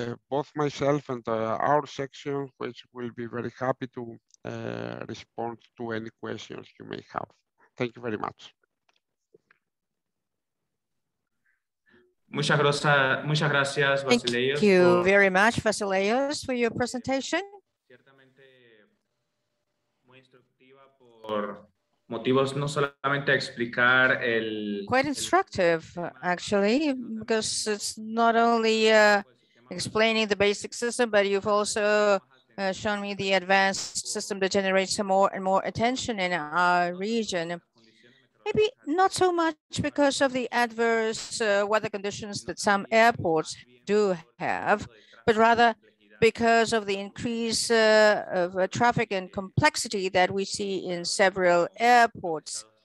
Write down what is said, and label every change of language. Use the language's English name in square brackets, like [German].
[English] Both myself and our section, which will be very happy to respond to any questions you may have. Thank you very much. [Spanish] Muchas gracias, Vasileios. [English] Thank you very much, Vasileios, for your presentation. [Spanish] Ciertamente muy instructiva por motivos no solamente explicar el. [English] Quite instructive, actually, because it's not only explaining the basic system, but you've also shown me the advanced system that generates more and more attention in our region. Maybe not so much because of the adverse weather conditions that some airports do have, but rather because of the increase of traffic and complexity that we see in several airports.